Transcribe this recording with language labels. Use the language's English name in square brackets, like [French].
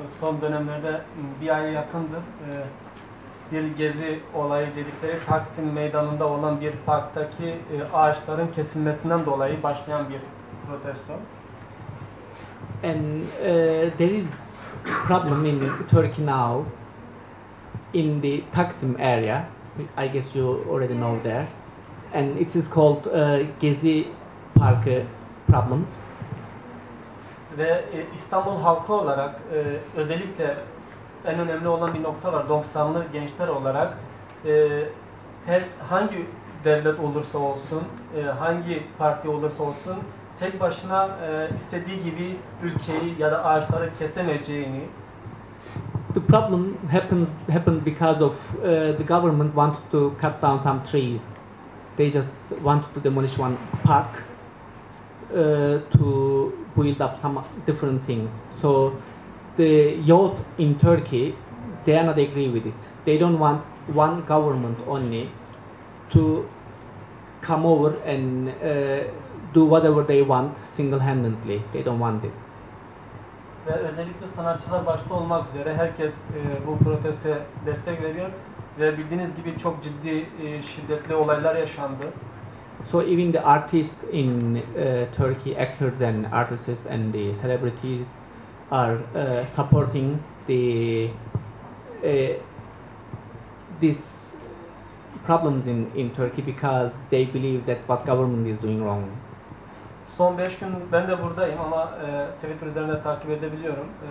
[Turkish] Son dönemlerde bir aya yakındır bir gezi olayı dedikleri Taksim meydanında olan bir parktaki ağaçların kesilmesinden dolayı başlayan bir protesto. [English] And there is problem in Turkey now in the Taksim area. I guess you already know there. And it is called Gezi Park problems. [Turkish] Ve İstanbul halkı olarak özellikle en önemli olan bir nokta var. 90'lı gençler olarak her hangi devlet olursa olsun, hangi parti olursa olsun tek başına istediği gibi ülkeyi ya da ağaçları kesemeyeceğini. [English] The problem happened because of the government wanted to cut down some trees. They just wanted to demolish one park to build up some different things. So the youth in Turkey, they are not agree with it. They don't want one government only to come over and do whatever they want single-handedly. They don't want it. [Turkish] Ve özellikle sanatçılar başta olmak üzere herkes bu protestoya destek veriyor ve bildiğiniz gibi çok ciddi şiddetli olaylar yaşandı. [English] So even the artists in Turkey, actors and artists and the celebrities are supporting the these problems in Turkey because they believe that what government is doing wrong. [Turkish] Son 5 gün ben de buradayım ama Twitter üzerinden takip edebiliyorum.